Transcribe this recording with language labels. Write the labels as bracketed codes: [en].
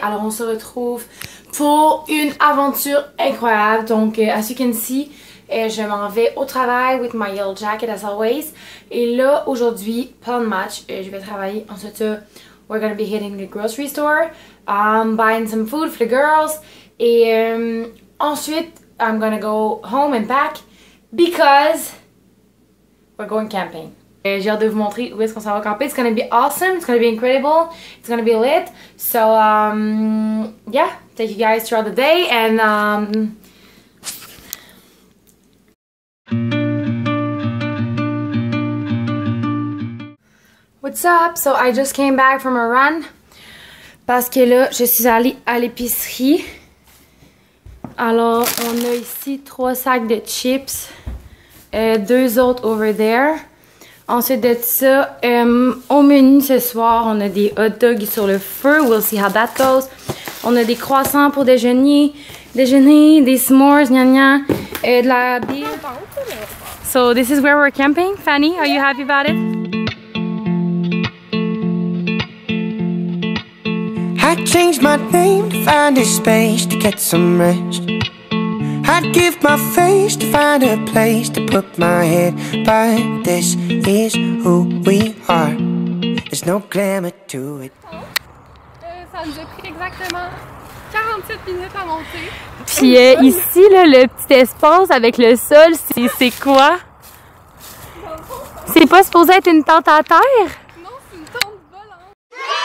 [fr] Alors on se retrouve pour une aventure incroyable. [en] Donc as you can see, [fr] je m'en vais au travail [en] with my yellow jacket as always. [fr] Et là aujourd'hui, plan de match, je vais travailler. [en] Ensuite, we're gonna be hitting the grocery store. I'm buying some food for the girls. Et ensuite, I'm gonna go home and pack because we're going camping. [fr] J'ai hâte de vous montrer où est-ce qu'on s'en va camper. [en] It's gonna be awesome, it's gonna be incredible, it's gonna be lit. So, yeah, thank you guys throughout the day and, what's up? So, I just came back from a run. [fr] Parce que là, je suis allée à l'épicerie. Alors, on a ici 3 sacs de chips. Et 2 autres [en] over there. [fr] Ensuite de ça, au menu ce soir, on a des hot dogs sur le feu. [en] We'll see how that goes. [fr] On a des croissants pour déjeuner. Des s'mores, gna gna. Et de la bière. [en] So this is where we're camping. Fanny, are you happy about it? I changed my name to find a space to get some rest. I'd give my face to find a place to put my head, but this is who we are. There's no glamour to it. [fr] Ça nous a pris exactement 47 minutes à monter. Puis ici, là, le petit espace avec le sol, c'est quoi? C'est pas supposé être une tente à terre? Non, c'est une tente volante. Ouais!